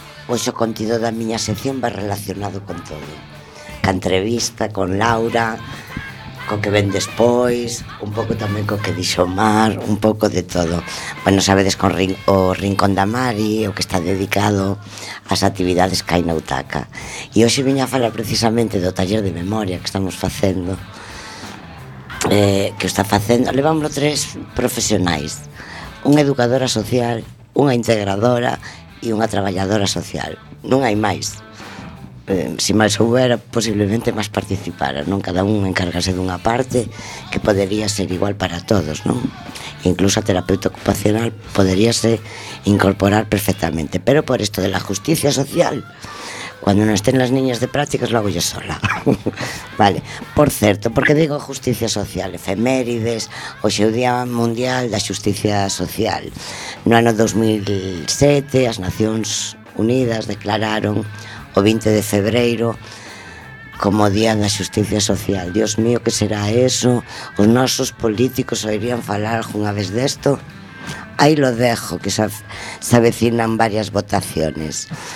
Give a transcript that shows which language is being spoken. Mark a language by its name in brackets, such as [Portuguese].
[Galician] Pois o contido da miña sección va relacionado con todo. Ca entrevista, con Laura, co que ven despois, un pouco tamén co que dixo Mar, un pouco de todo. Bueno, sabedes con o Rincón da Mari, o que está dedicado ás actividades que hai na Utaca. E hoxe viña a falar precisamente do taller de memoria que estamos facendo. Que está facendo, levámoslo 3 profesionais. Unha educadora social, unha integradora e unha traballadora social. Non hai máis. Se máis houbera, posiblemente máis participara, non? Cada un encargase dunha parte que podería ser igual para todos, non? E incluso a terapeuta ocupacional podería se incorporar perfectamente. [Spanish] Pero por isto de la justicia social, [Galician] cando non [Spanish] estén las niñas de prácticas, lo hago yo sola. [Galician] Vale, por certo, porque digo justicia social, efemérides, hoxe o Día Mundial da Justicia Social. No ano 2007, as Nacións Unidas declararon o 20 de febreiro como Día da Justicia Social. Dios mío, que será eso? Os nosos políticos oirían falar unha vez desto? [Spanish] Aí lo dejo, que se avecinan varias votaciones.